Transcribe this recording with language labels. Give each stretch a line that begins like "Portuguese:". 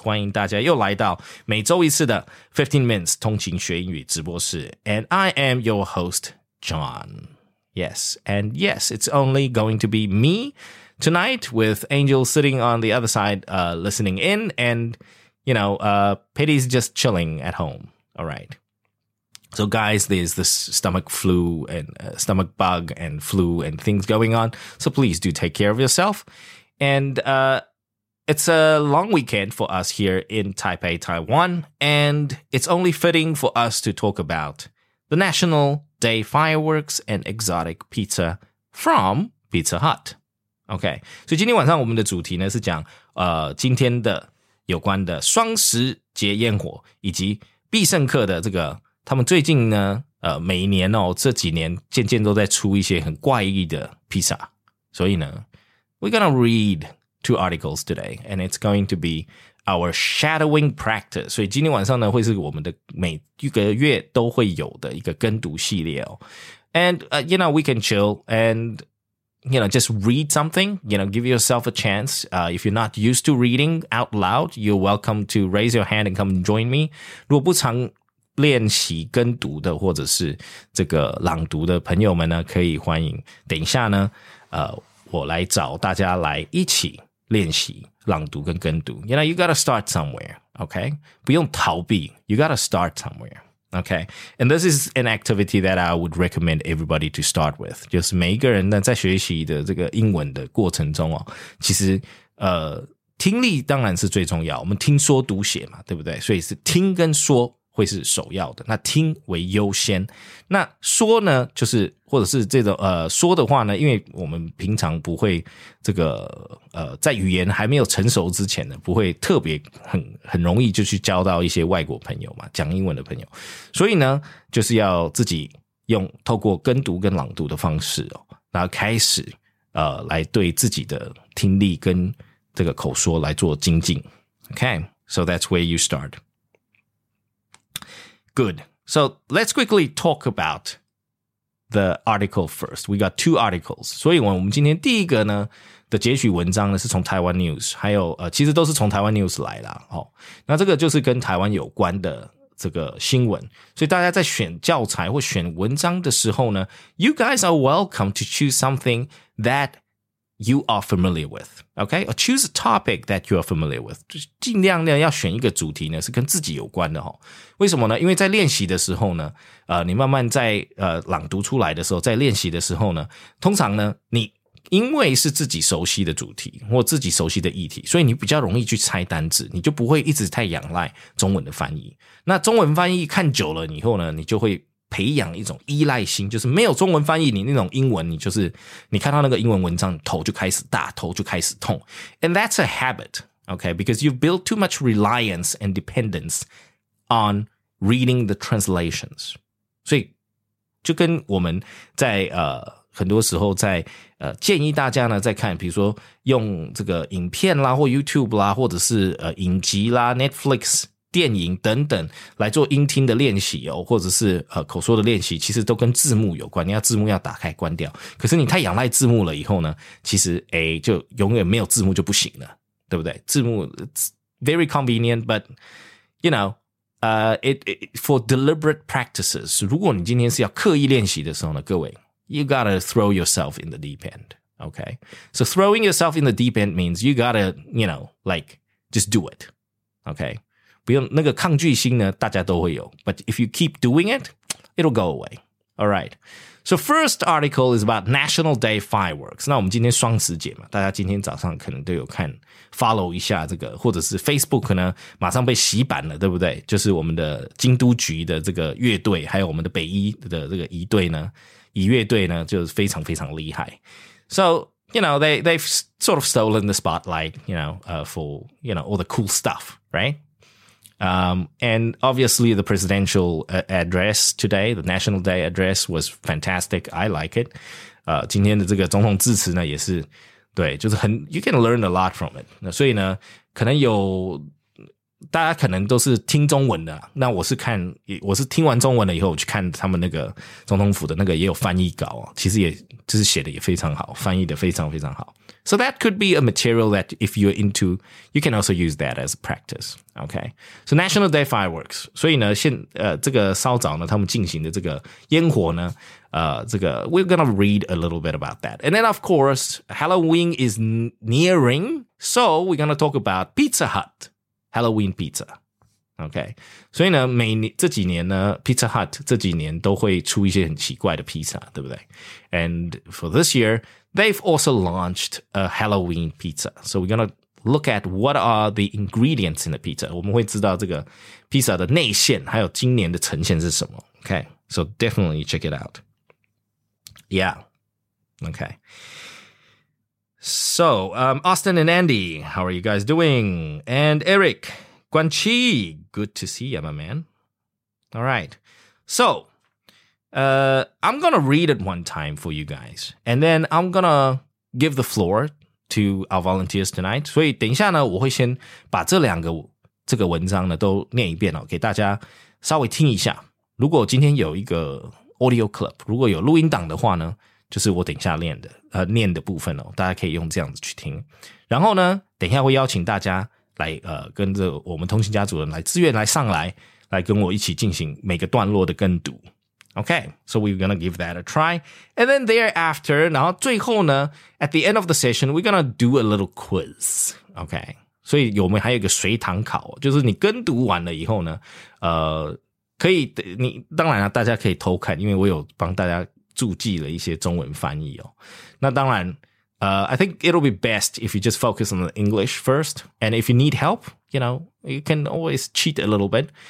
Chinese: 欢迎大家又来到每周一次的15 Minutes 通勤学英语直播室。
English: And I am your host, John. Yes, and yes, it's only going to be me tonight with Angel sitting on the other side, listening in, and, you know, Petty's just chilling at home. All right. So guys, there's this stomach bug and flu and things going on. So please do take care of yourself. And it's a long weekend for us here in Taipei, Taiwan. And it's only fitting for us to talk about the National Day fireworks and exotic pizza from Pizza Hut. Okay.
Chinese: So 今天晚上我们的主题呢是讲今天的有关的双十节烟火以及必胜客的这个他们最近呢每一年哦这几年渐渐都在出一些很怪异的披萨。所以呢
English: ,we're gonna read two articles today, and it's going to be our shadowing practice.
Chinese: 所以今天晚上呢会是我们的每一个月都会有的一个跟读系列哦。
English: And, you know, we can chill and, you know, just read something, you know, give yourself a chance. If you're not used to reading out loud, you're welcome to raise your hand and come join me.
Chinese: 如果不常练习跟读的或者是这个朗读的朋友们呢可以欢迎等一下呢我来找大家来一起练习朗读跟跟读
English: You know, you gotta start somewhere, okay?
Chinese: 不用逃避
English: You gotta start somewhere, okay? And this is an activity that I would recommend everybody to start with
Chinese: 就是每一个人呢在学习的这个英文的过程中、哦、其实听力当然是最重要我们听说读写嘛对不对所以是听跟说会是首要的那听为优先那说呢就是或者是这种说的话呢因为我们平常不会这个在语言还没有成熟之前呢不会特别很容易就去交到一些外国朋友嘛讲英文的朋友所以呢就是要自己用透过跟读跟朗读的方式、哦、然后开始来对自己的听力跟这个口说来做精进
English: Okay, so that's where you startGood. So let's quickly talk about the article first. We got two articles.
Chinese: 所以我们今天第一个呢的截取文章呢是从台湾 news, 还有其实都是从台湾 news 来啦、哦。那这个就是跟台湾有关的这个新闻。所以大家在选教材或选文章的时候呢
English: you guys are welcome to choose something that you are familiar with. Okay? Or choose a topic that you are familiar with.
Chinese: 就是尽量呢要选一个主题呢是跟自己有关的齁、哦。为什么呢因为在练习的时候呢你慢慢在朗读出来的时候在练习的时候呢通常呢你因为是自己熟悉的主题或自己熟悉的议题所以你比较容易去猜单字你就不会一直太仰赖中文的翻译。那中文翻译看久了以后呢你就会培养一种依赖心就是没有中文翻译你那种英文你就是你看到那个英文文章头就开始大头就开始痛
English: And that's a habit Okay, because you've built too much reliance and dependence on reading the translations
Chinese: 所以就跟我们在很多时候在建议大家呢在看比如说用这个影片啦或 YouTube 啦或者是影集啦 Netflix电影等等来做音听的练习哦，或者是口说的练习，其实都跟字幕有关。你要字幕要打开关掉，可是你太仰赖字幕了以后呢，其实诶就永远没有字幕就不行了，对不对？
English: 字幕 very convenient, but you know, for deliberate practices.
Chinese: 如果你今天是要刻意练习的时候呢，各位 ，
English: you gotta throw yourself in the deep end. Okay, so throwing yourself in the deep end means you gotta you know like just do it. Okay.
Chinese: 不用那个抗拒心呢大家都会有
English: But if you keep doing it It'll go away Alright So first article is about National Day fireworks
Chinese: 那我们今天双十节嘛大家今天早上可能都有看 Follow 一下这个或者是 Facebook 呢马上被洗版了对不对就是我们的京都局的这个乐队还有我们的北一的这个乐队呢就是非常非常厉害
English: SoYou know, they've sort of stolen the spotlight, you know, for, you know, all the cool stuff, right? And obviously the presidential address today, the National Day address was fantastic. I like it.
Chinese: 今天的这个总统致辞呢也是对就是很
English: you can learn a lot from it.
Chinese: 那所以呢可能有大家可能都是听中文的，那我是看，我是听完中文了以后，我去看他们那个总统府的那个也有翻译稿，其实也就是写的也非常好，翻译的非常非常好。
English: So that could be a material that if you're into, you can also use that as a practice. Okay. So National Day Fireworks.
Chinese: 所以呢，现这个稍早呢，他们进行的这个烟火呢，这个
English: we're gonna read a little bit about that. And then of course, Halloween is nearing, so we're gonna talk about Pizza Hut. Halloween Pizza, okay.
Chinese: 所以呢，每这几年呢 ，Pizza Hut 这几年都会出一些很奇怪的 pizza, 对不对 ？
English: And for this year, they've also launched a Halloween pizza. So we're gonna look at what are the ingredients in the pizza.
Chinese: 我们会知道这个 pizza 的内馅，还有今年的呈现是什么。
English: Okay, so definitely check it out. Yeah, okay. So, Austin and Andy, how are you guys doing? And Eric, Guan Qi, good to see you, my man. All right. So, I'm going to read it one time for you guys. And then I'm going to give the floor to our volunteers tonight.
Chinese: 所以等一下呢，我会先把这个文章呢都念一遍哦，给大家稍微听一下。如果今天有一个 audio clip, 如果有录音档的话呢，就是我等一下念的部分哦，大家可以用这样子去听。然后呢，等一下会邀请大家来跟着我们通信家族人来自愿来上来，来跟我一起进行每个段落的跟读。
English: Okay, so we're gonna give that a try, and then thereafter,
Chinese: 然后最后呢
English: ，at the end of the session, we're gonna do a little quiz.
Chinese: Okay, 所以我们还有一个随堂考，就是你跟读完了以后呢，可以你当然了，大家可以偷看，因为我有帮大家。注记了一些中文翻译哦。那当然
English: I think it'll be best if you just focus on the English first. And if you need help, you know, you can always cheat a little bit.